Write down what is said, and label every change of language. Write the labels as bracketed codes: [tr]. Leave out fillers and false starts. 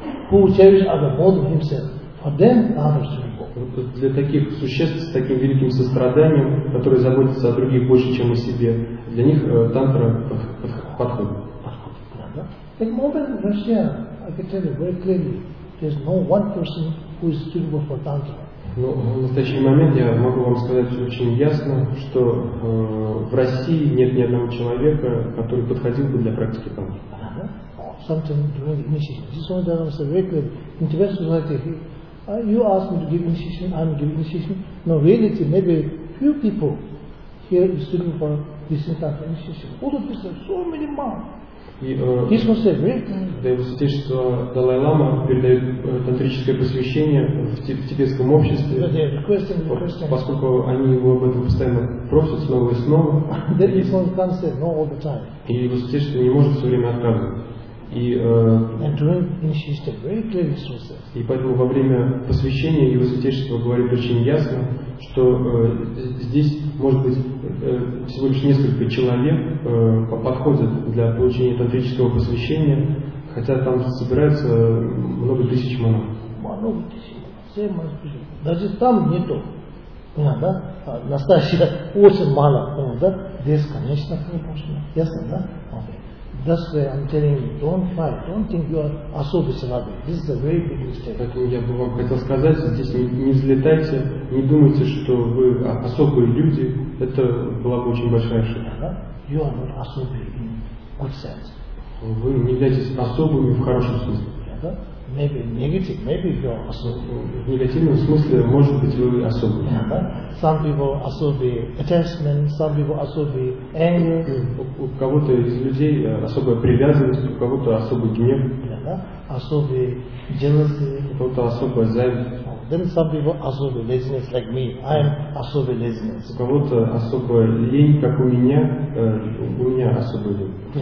[en] Who cherish other more than himself, for them others will go. [ru] Для таких существ с таким великим состраданием, которые заботятся о других больше, чем о себе, для них тантра подходит. [en] In modern Russia, I can tell you very clearly, there's no one person who is suitable for tantra. [ru] Но в настоящий момент я могу вам сказать очень ясно, что в России нет ни одного человека, который подходил бы для практики тантры. [en] Sometimes during the initiation. This one that I was very clear. In Tibet society, you ask me to give initiation, I'm giving initiation. No, reality, maybe few people here is suitable for this type of initiation. All of this, so many monks. This one said, very clear. [ru] Его святейшество Далай Лама передает тантрическое посвящение в тибетском обществе. Поскольку они его об этом постоянно просят снова и снова. [en] Then this one can't say no all the time. [ru] И его святейшество не может все время отказывать. [en] And during initiation, very clearly, [ru] и поэтому во время посвящения его святейшество говорит очень ясно, что здесь может быть всего лишь несколько человек подходят для получения тантрического посвящения, хотя там собирается много тысяч монахов. Много тысяч, все мои спешили. Даже там нету. Да? Настоящий так очень мало, да? Здесь, конечно, не пошло. Ясно, да? [en] That's why I'm telling you, don't fight, don't think you are [ru] особо слабый. [en] This is a very big mistake. [ru] Поэтому я бы вам хотел сказать, здесь не взлетайте, не думайте, что вы особые люди. Это была бы очень большая ошибка. [en] You are not [ru] особый [en] in good sense. [ru] Вы не являетесь особыми в хорошем смысле. [en] Maybe negative, maybe you are [ru] особый. В негативном смысле, может быть, вы особый. [en] Some people [ru] особый [en] attachment, some people особый anger. [ru] У кого-то из людей особая привязанность, у кого-то особый гнев. Особый [en] jealousy. [ru] У кого-то особая зависть. [en] Then some people [ru] особый [en] laziness, like me. I am особый laziness. [ru] У кого-то особая лень, как у меня особый лень.